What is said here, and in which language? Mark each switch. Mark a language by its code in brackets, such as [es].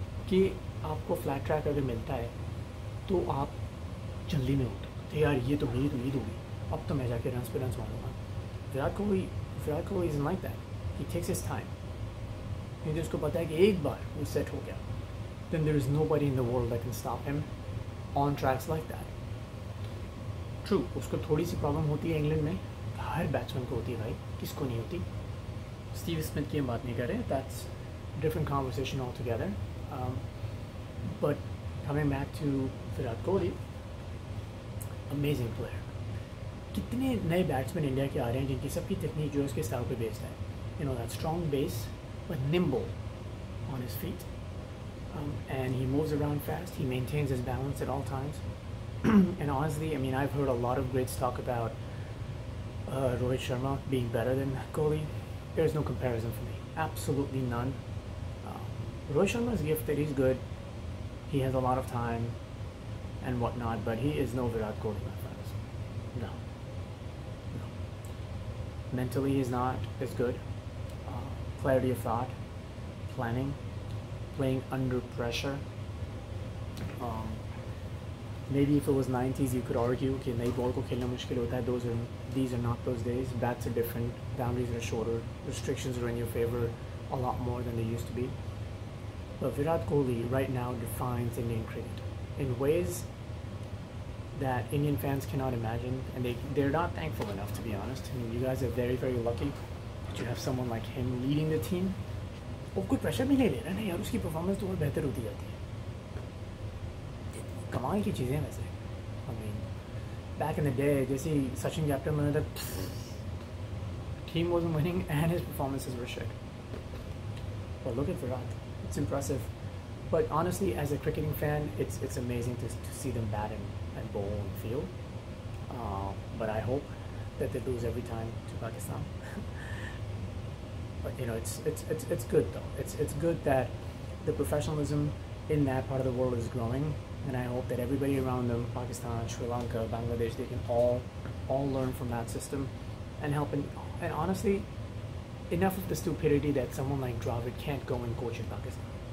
[hi] कि आपको [en] flat track [hi] अगर मिलता है तो आप जल्दी में होते हो, यार ये तो मेरी उम्मीद होगी, अब तो मैं जाके रन पे रन मारूंगा. [en] Virat Kohli isn't like that. He takes his time. [hi] क्योंकि उसको पता है कि एक बार वो सेट हो गया [en] then there is nobody in the world that can stop him on tracks like that. [hi] True, उसको थोड़ी सी प्रॉब्लम होती है इंग्लैंड में, हर बैट्समैन को होती है भाई, किसको नहीं होती. स्टीव स्मिथ की हम बात नहीं कर रहे, [en] That's different conversation all together. But coming back to Virat Kohli, amazing player. [hi] कितने नए बैट्समैन इंडिया के आ रहे हैं जिनकी सबकी टेक्निक जो है उसके स्टाइल पे बेस्ड है, [en] You know that strong base but nimble on his feet and he moves around fast, he maintains his balance at all times. And honestly I mean I have heard a lot of greats talk about Rohit Sharma being better than Kohli, there's no comparison for me. Absolutely none. Rohit Sharma is gifted, he's good, he has a lot of time and whatnot, but he is no Virat Kohli, my friends. No. No. Mentally, he's not as good. Clarity of thought, planning, playing under pressure. Maybe if it was 90s, you could argue कि [hi] नई ball को खेलना मुश्किल होता है. [en] Those are, these are not those days. Bats are different, boundaries are shorter, restrictions are in your favor a lot more than they used to be. But Virat Kohli right now defines Indian cricket in ways that Indian fans cannot imagine, and they're not thankful enough, to be honest. I mean, you guys are very, very lucky that you have someone like him leading the team. [hi] वो कोई pressure भी नहीं ले रहा है यार, उसकी performance तो और बेहतर होती जाती है. कमाल की चीज़ें हैं वैसे. [en] I mean back in the day [hi] जैसे सचिन कैप्टन बना था, [en] Team was winning and his performance were shit. But look at Virat, it's impressive. But honestly as a cricketing fan it's it's amazing to see them bat and and ball on field. But I hope that they lose every time to Pakistan. But you know, it's good though. It's good that the professionalism in that part of the world is growing, and I hope that everybody around them, Pakistan, Sri Lanka, Bangladesh, they can all learn from that system and help. And honestly, enough of the stupidity that someone like Dravid can't go and coach in Pakistan.